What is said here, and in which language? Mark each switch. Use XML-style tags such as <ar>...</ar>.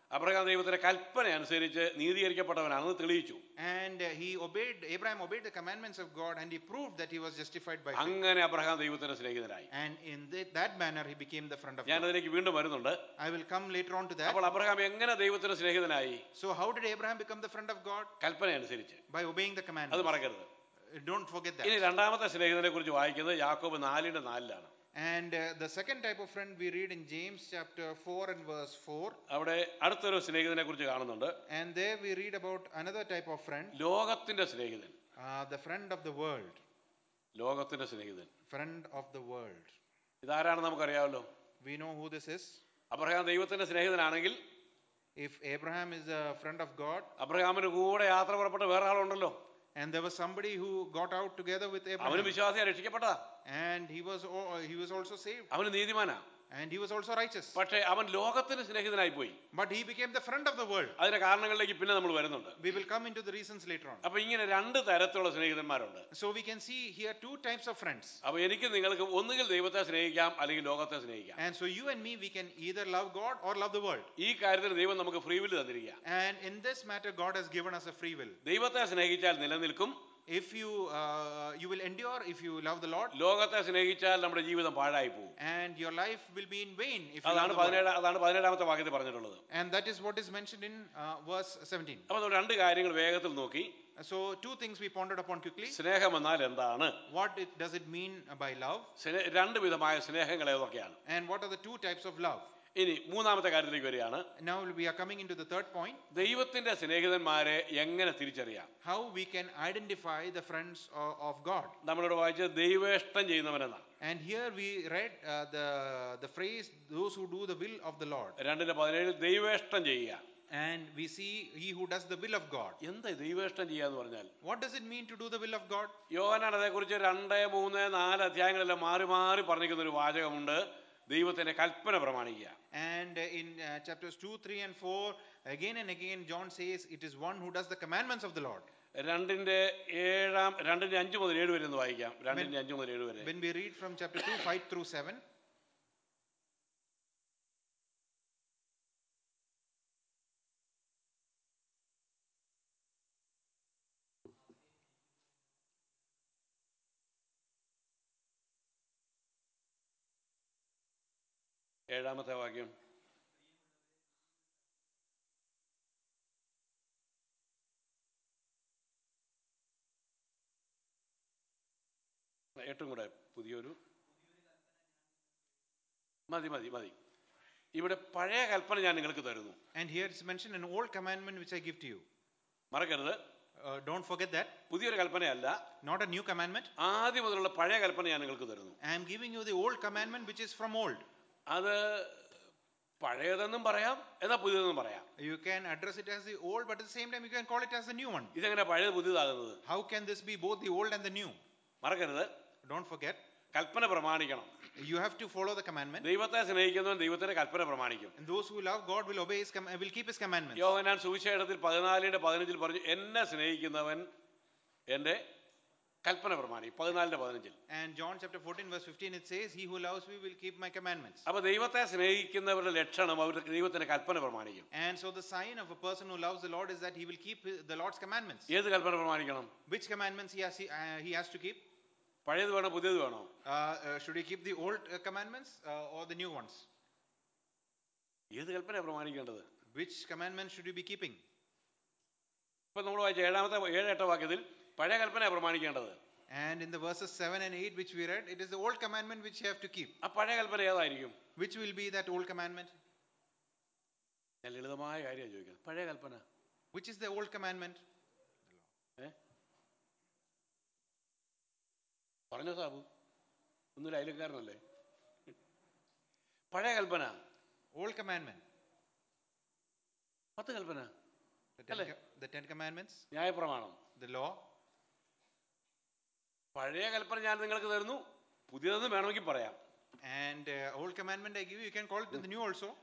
<ml>Abraham ദൈവത്തിന്റെ കൽപ്പന അനുസരിച്ച് നീതീകരിക്കപ്പെട്ടവനാണെന്ന് തെളിയിച്ചു.</ml> <en>And he obeyed, Abraham obeyed the commandments of God and he proved that he was justified by faith.</en> <ml>അങ്ങനെ Abraham ദൈവത്തിന്റെ സ്നേഹിതനായി.</ml> <en>And in that manner he became the friend of God.</en> <ml>ഞാൻ അതിലേക്ക് വീണ്ടും വരുന്നുണ്ട്.</ml> <en>I will come later on to that.</en> <ml>അപ്പോൾ Abraham എങ്ങനെ ദൈവത്തിന്റെ സ്നേഹിതനായി?</ml> <en>So how did Abraham become the friend of God?</en> <ml>കൽപ്പന അനുസരിച്ച്.</ml> <en>By obeying the commandments.</en> <ml>അത് മറക്കരുത്.</ml> <en>Don't forget that.</en> <ml>ഇനി രണ്ടാമത്തെ സ്നേഹിതനെ കുറിച്ച് വായിക്കുന്നത് യാക്കോബ് 4:4-ലാണ്.</ml> <en>And the second type of friend we read in James chapter 4 and verse 4.</en> <ml>അവിടെ അടുത്തൊരു സ്നേഹിതനെ കുറിച്ച് കാണുന്നുണ്ട്.</ml> <en>And there we read about another type of friend.</en> <ml>ലോകത്തിന്റെ സ്നേഹിതൻ.</ml> <en>The friend of the world.</en> <ml>ലോകത്തിന്റെ സ്നേഹിതൻ.</ml> <en>Friend of the world.</en> <ml>ഇത് ആരാണെന്ന് നമുക്കറിയാമല്ലോ.</ml> <en>We know who this is.</en> <ml>Abraham ദൈവത്തിന്റെ സ്നേഹിതനാണെങ്കിൽ.</ml> <en>If Abraham is a friend of God.</en> <ml>അബ്രഹാമിന്റെ കൂടെ യാത്ര പുറപ്പെട്ട വേറെ ആളുണ്ടല്ലോ.</ml> <en>And there was somebody who got out together with Abraham.</en> <ml>അവനും വിശ്വാസിയായി രക്ഷിക്കപ്പെട്ടതാ.</ml> <en>And he was also saved.</en> <ml>അവൻ നീതിമാനാ.</ml> <en>And he was also righteous.</en> <ml>പക്ഷേ അവൻ ലോകത്തിന്റെ സ്നേഹിതനായി പോയി.</ml> <en>But he became the friend of the world.</en> <ml>അതിന്റെ കാരണങ്ങളിലേക്ക് പിന്നെ നമ്മൾ വരുന്നുണ്ട്.</ml> <en>We will come into the reasons later on.</en> <ml>അപ്പോൾ ഇങ്ങനെ രണ്ട് തരത്തിലുള്ള സ്നേഹിതന്മാരുണ്ട്.</ml> <en>So we can see here two types of friends.</en> <ml>അപ്പോൾ എനിക്ക് നിങ്ങൾക്ക് ഒന്നുകിൽ ദൈവത്തെ സ്നേഹിക്കാം അല്ലെങ്കിൽ ലോകത്തെ സ്നേഹിക്കാം.</ml> <en>And so you and me we can either love God or love the world.</en> <ml>ഈ കാര്യത്തിൽ ദൈവം നമുക്ക് free will തന്നിരിക്കുകയാ.</ml> <en>And in this matter God has given us a free will.</en> <ml>ദൈവത്തെ സ്നേഹിച്ചാൽ നിലനിൽക്കും.</ml> <en>If you will endure if you love the Lord.</en> <ml>ലോകത്തെ സ്നേഹിച്ചാൽ നമ്മുടെ ജീവിതം പാഴായി പോകും.</ml> <en>And your life will be in vain if you.</en> <ml>അതാണ് 17-ാമത്തെ വാക്യത്തിൽ പറഞ്ഞിട്ടുള്ളത്.</ml> <en>And that is what is mentioned in verse 17.</en> <ml>അപ്പോൾ രണ്ട് കാര്യങ്ങൾ വേഗത്തിൽ നോക്കി.</ml> <en>So two things we pondered upon quickly.</en> <ml>സ്നേഹം എന്നാൽ എന്താണ്?</ml> <en>What does it mean by love?</en> <ml>രണ്ട് വിധമായ സ്നേഹങ്ങൾ ഏതൊക്കെയാണ്?</ml> <en>And what are the two types of love?</en> <ml>ഇനി മൂന്നാമത്തെ കാര്യത്തിലേക്ക് വരികയാണ്.</ml> <en>Now we are coming into the third point.</en> <ml>ദൈവത്തിന്റെ സ്നേഹിതന്മാരെ എങ്ങനെ തിരിച്ചറിയാം?</ml> <en>How we can identify the friends of God.</en> <ml>നമ്മളോട് വായിച്ച ദൈവേഷ്ടം ചെയ്യുന്നവനെന്ന.</ml> <en>And here we read the phrase those who do the will of the Lord.</en> <ml>2:17 ദൈവേഷ്ടം ചെയ്യുക.</ml> <en>And we see he who does the will of God.</en> <ml>എന്താ ദൈവേഷ്ടം ചെയ്യുക എന്ന് പറഞ്ഞാൽ?</ml> <en>What does it mean to do the will of God?</en> <ml>യോഹന്നാൻ അതേക്കുറിച്ച് 2-4 അധ്യായങ്ങളിൽ മാറി മാറി പറഞ്ഞിരിക്കുന്ന ഒരു വാചകമുണ്ട്. ദൈവത്തിന്റെ കൽപ്പന പ്രമാണിക്കുക.</ml> <en>And in chapters 2, 3 and 4 again and again John says it is one who does the commandments of the Lord.</en> <ml>2:5-7 വരെ എന്ന് വായിക്കാം. 2:5-7 വരെ.</ml> <en>When we read from chapter 2 5 through 7.</en> <ml>ഏഴാമത്തെ വാക്യം. ഏറ്റവും കൂടെ പുതിയൊരു മതി മതി മതി. ഇവിടെ പഴയ കൽപ്പന ഞാൻ നിങ്ങൾക്ക് തരുന്നു.</ml> <en>And here it's mentioned an old commandment which I give to you.</en> <ml>മറക്കരുത്.</ml> <en>Don't forget that.</en> <ml>പുതിയൊരു കൽപ്പനയല്ല.</ml> <en>Not a new commandment.</en> <ml>ആദ്യം മുതലുള്ള പഴയ കൽപ്പന ഞാൻ നിങ്ങൾക്ക് തരുന്നു.</ml> <en>I am giving you the old commandment which is from old.</en> <ml>അത് പഴയതെന്നും പറയാം, എന്നാൽ പുതിയതെന്നും പറയാം.</ml> <en>You can address it as the old but at the same time you can call it as the new one.</en> <ml>ഇതെങ്ങനെ പഴയത് പുതിയതാകുന്നത്?</ml> <en>How can this be both the old and the new?</en> <ml>മറക്കരുത്.</ml> <en>Don't forget.</en> <ml>Kalpana പ്രമാണിക്കണം.</ml> <en>You have to follow the commandments.</en> <ml>ദൈവത്തെ സ്നേഹിക്കുന്നവൻ ദൈവത്തിന്റെ കൽപ്പന പ്രമാണിക്കും.</ml> <en>And those who love God will obey his command, will keep his commandments.</en> <ml>യോഹന്നാൻ സുവിശേഷത്തിൽ 14-ന്റെ 15-ൽ പറഞ്ഞു, എന്നെ സ്നേഹിക്കുന്നവൻ എന്റെ കൽപ്പന പ്രമാണിക്കും. 14-ന്റെ 15-ൽ.</ml> <en>And John chapter 14 verse 15 it says, he who loves me will keep my commandments.</en> <ml>അപ്പോൾ ദൈവത്തെ സ്നേഹിക്കുന്നവരുടെ ലക്ഷണം അവർ ദൈവത്തിന്റെ കൽപ്പന പ്രമാണിക്കും.</ml> <en>And so the sign of a person who loves the Lord is that he will keep the Lord's commandments.</en> <ml>ഏത് കൽപ്പന പ്രമാണിക്കണം?</ml> <en>Which commandments he has to keep?</en> <ml>പഴയത് വേണോ പുതിയത് വേണോ?</ml> <en>Should we keep the old commandments or the new ones?</en> <ml>ഏത് കൽപ്പന പ്രമാണിക്കേണ്ടത്?</ml> <en>Which commandments should we be keeping?</en> <ml>ഇപ്പോൾ നമ്മൾ വായിച്ച 7-8 വാക്യത്തിൽ പഴയ കൽപ്പന പ്രമാണിക്കേണ്ടത്.</ml> <en>And in the verses 7 and 8 which we read, it is the old commandment which you have to keep.</en> <ml>ആ പഴയ കൽപ്പന ഏതായിരിക്കും?</ml> <en>Which will be that old commandment?</en> <ml>ലളിതമായ കാര്യം ചോദിക്കാം. പഴയ കൽപ്പന.</ml> <en>Which is the old commandment?</en> <ml>പറഞ്ഞോ സാബു, ഒന്നും അയലക്കാരനല്ലേ. പഴയ കൽപ്പന,</ml> <en>Old commandment.</en> <ml>10 Kalpana,</ml> <en>the 10 commandments,</en> <ml>ന്യായപ്രമാണം,</ml> <en>the law.</en> <ml>പഴയ കൽപ്പന ഞാൻ നിങ്ങൾക്ക് തരുന്നു, പുതിയതെന്ന് വേണമെങ്കിൽ പറയാം.</ml> <en>And old commandment I give you, you can call it the new also.</en>